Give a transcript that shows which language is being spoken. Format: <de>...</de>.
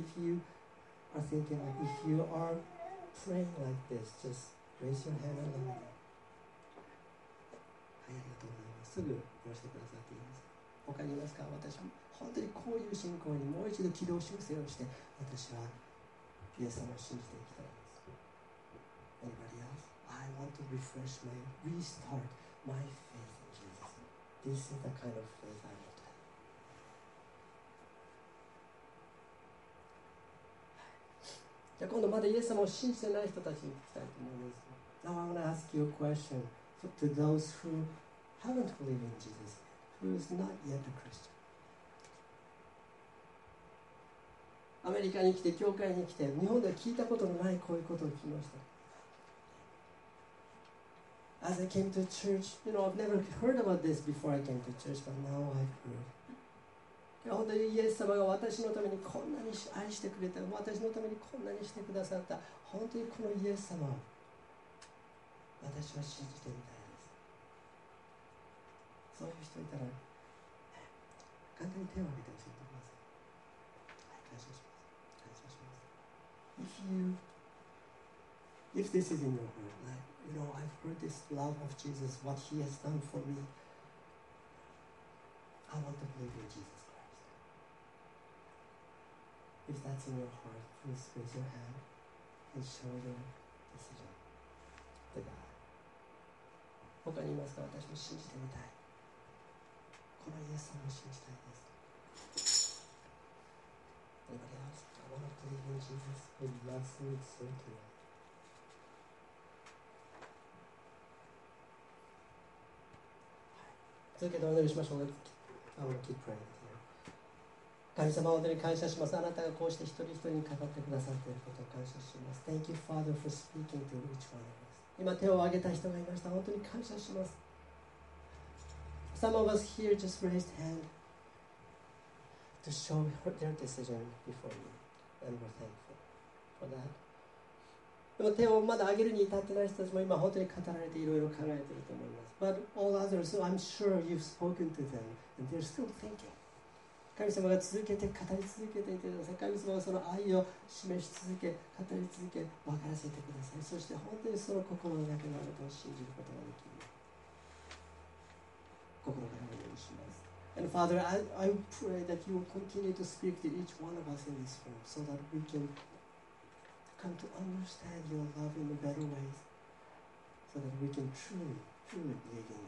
<en>If you are thinking, like, if you are praying like this, just raise your hand and let me know.</en> <ja>はい、ありがとうございます。すぐ寄せてくださっていいですか。他にいますか。私も本当にこういう信仰にもう一度軌道修正をして、私はイエス様を信じていきたいです。</ja> <en>Anybody else? I want to refresh my, restart my faith in Jesus. This is the kind of faith I want.</en> <ja>じゃ今度まだイエス様を信じてない人たちに聞きたいと思います。</ja> <en>Now I'm going to ask you a question. So to those who haven't believed in Jesus, who is not yet a Christian.</en> <ja>アメリカに来て、教会に来て、日本では聞いたことのないこういうことを聞きました。</ja> <en>As I came to church, you know, I've never heard about this before I came to church, but now I've heard.</en> <ja>本当にイエス様が私のためにこんなに愛してくれた、私のためにこんなにしてくださった、本当にこのイエス様を私は信じてみたいです。そういう人いたら、簡単に手を挙げて教えてください。はい、感謝します。感謝します。</ja> <en>If this is in your heart, like, you know, I've heard this love of Jesus, what he has done for me, I want to believe in Jesus Christ. If that's in your heart, please raise your hand and show your decision to God.</en> <ja>他にいますか。私も信じてみたい。このイエス様を信じたいです。</ja> <en>Anybody else? I want to believe in Jesus who loves me so dearly.</en> <ja>続けてお祈りしましょう。</ja> <en>I want to keep praying with you.</en> <ja>神様、本当に感謝します。あなたがこうして一人一人に語ってくださっていることを感謝します。</ja> <en>Thank you, Father, for speaking to each one of us.</en> <ja>今手を挙げた人がいました。本当に感謝します。</ja> <en>Some of us here just raised hand to show their decision before you, and we're thankful for that.</en> <ja>でも手をまだ挙げるに至ってない人たちも今本当に語られていろいろ考えていると思います。</ja> <en>But all others, I'm sure you've spoken to them, and they're still thinking.</en> <ja>神様が続けて語り続けていてください。神様がその愛を示し続け、語り続け、分からせてください。そして本当にその心の中のあなたを信じることができる。心からお願いします。</ja> <en>And Father, I pray that you will continue to speak to each one of us in this room so that we can come to understand your love in a better way so that we can truly believe in you.</en>